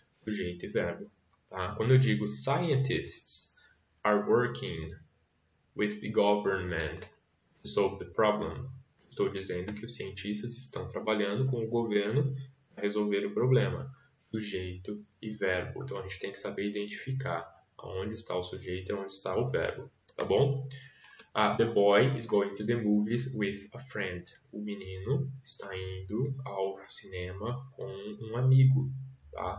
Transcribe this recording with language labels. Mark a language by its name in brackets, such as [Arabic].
[Portuguese] Sujeito e verbo, tá? Quando eu digo [English] scientists are working with the government to solve the problem, [Portuguese] estou dizendo que os cientistas estão trabalhando com o governo para resolver o problema. Sujeito e verbo. Então a gente tem que saber identificar onde está o sujeito e onde está o verbo. Tá bom? [English] Ah, the boy is going to the movies with a friend. [Portuguese] O menino está indo ao cinema com um amigo. Tá?